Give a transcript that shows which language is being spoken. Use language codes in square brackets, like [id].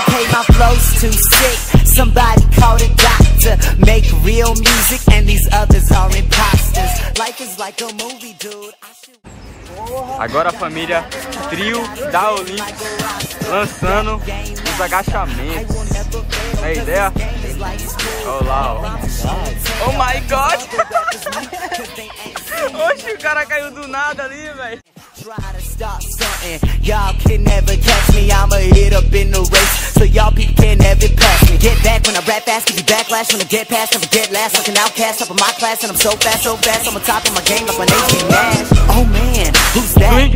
[en] My flow's too sick, somebody call the doctor. Make real music and these others are imposters. Life is like a movie, dude. [pt] Agora a família, trio da Olimpis, lançando os agachamentos. É a ideia? Olha lá, ó. [en] Oh my god! [pt] Oxe, o cara caiu do nada ali, velho. [en] Try to stop something, y'all can never catch me. I'ma hit up in the race, so y'all people can never pass me. Get back when I rap fast, give you backlash when I get past. I'm a dead last, fucking outcast, up in my class. And I'm so fast, I'm on top of my game, up my name's been mad. Oh man, who's that?